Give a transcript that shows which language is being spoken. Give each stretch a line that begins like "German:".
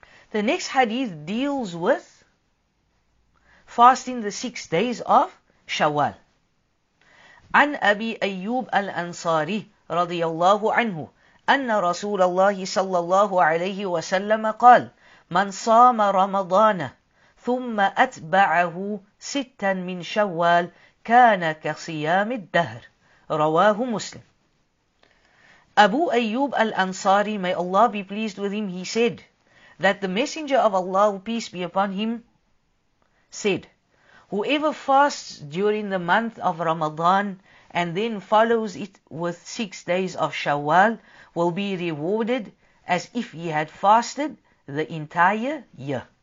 English: The next hadith deals with fasting the 6 days of Shawwal.
Arabic: عن أبي أيوب الأنصاري رضي الله عنه أن رسول الله صلى الله عليه وسلم قال من صام رمضان ثم أتبعه ستا من شوال كان كصيام الدهر رواه مسلم.
English: أبو أيوب الأنصاري, may Allah be pleased with him, he said that the messenger of Allah, peace be upon him, said, whoever fasts during the month of Ramadan and then follows it with 6 days of Shawwal will be rewarded as if he had fasted the entire year.